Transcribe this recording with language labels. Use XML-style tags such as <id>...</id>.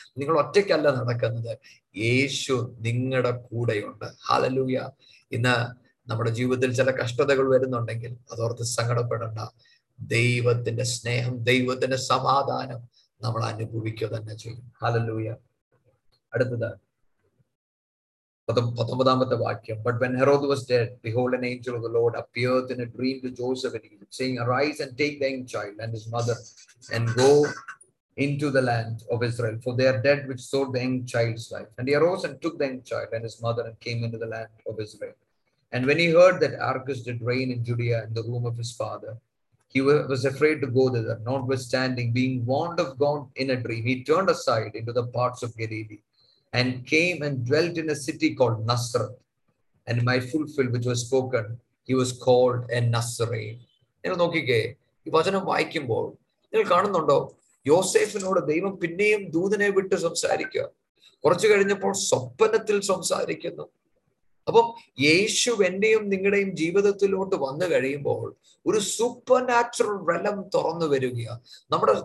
<ml>നിങ്ങൾ ഒറ്റയ്ക്കല്ല നടക്കുന്നത്, യേശു നിങ്ങളുടെ കൂടെയുണ്ട്. ഹല്ലേലൂയ. ഇന്ന് നമ്മുടെ ജീവിതത്തിൽ ചില കഷ്ടതകൾ വരുന്നുണ്ടെങ്കിൽ അതോർത്ത് സങ്കടപ്പെടണ്ട. ദൈവത്തിന്റെ സ്നേഹം, ദൈവത്തിന്റെ സമാധാനം നമ്മൾ അനുഭവിക്കുക തന്നെ ചെയ്യും. ഹല്ലേലൂയ. അടുത്തത് പത്തൊമ്പതാമത്തെ വാക്യം.</ml> <en>But when Herod was dead, behold, an angel of the Lord appeared in a dream to Joseph in Egypt, saying, Arise and take the young child and his mother and go into the land of Israel, for they are dead which sought the young child's life. And he arose and took the young child and his mother and came into the land of Israel. And when he heard that Archas did reign in Judea in the room of his father, he was afraid to go thither. Notwithstanding, being warned of God in a dream, he turned aside into the parts of Galilee and came and dwelt in a city called Nazareth. And it might fulfill which was spoken, he was called a Nazarene. You know, okay, he was in a Viking world. You know, God,</en> <ml>യോസേഫിനോട് ദൈവം പിന്നെയും ദൂതനെ വിട്ട് സംസാരിക്കുക. കുറച്ചു കഴിഞ്ഞപ്പോൾ സ്വപ്നത്തിൽ സംസാരിക്കുന്നു. അപ്പം യേശു എന്റെയും നിങ്ങളുടെയും ജീവിതത്തിലോട്ട് വന്നു കഴിയുമ്പോൾ ഒരു സൂപ്പർനാച്ചുറൽ റെലം തുറന്നു വരികയാണ്.</ml>